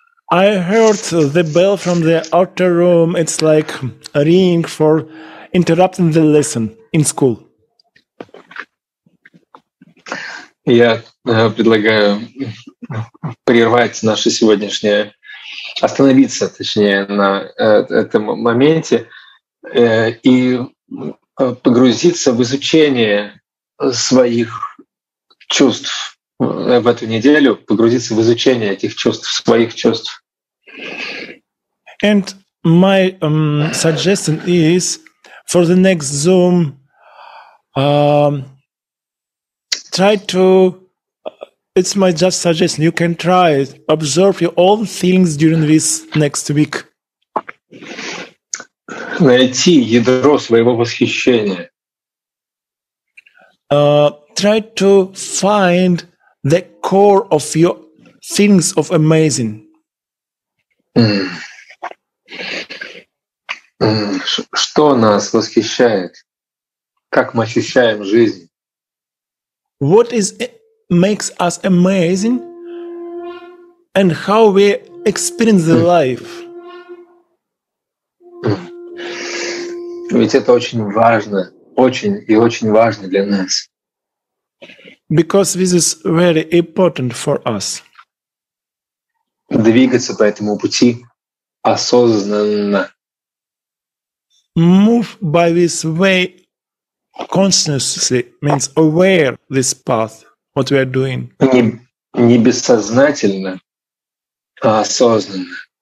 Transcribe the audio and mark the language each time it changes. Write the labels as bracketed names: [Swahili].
[English] I heard the bell from the outer room. It's like a ring for interrupting the lesson in school. [Russian] Я предлагаю прервать наше сегодняшнее, остановиться, точнее, на этом моменте. и погрузиться в изучение своих чувств в эту неделю, погрузиться в изучение этих чувств, своих чувств. [English] And my suggestion is for the next Zoom try to it's my just suggestion, you can try it, observe your own feelings during this next week. [Russian] Найти ядро своего восхищения. [English] Try to find the core of your things of amazing. [Russian] Что нас восхищает? Как мы ощущаем жизнь? [English] What is makes us amazing and how we experience the life? [Russian] Ведь это очень важно, очень и очень важно для нас. [English] Because this is very important for us. [Russian] Двигаться по этому пути осознанно. [English] Move by this way consciously means aware this path, what we are doing. [Russian] Не бессознательно, а осознанно.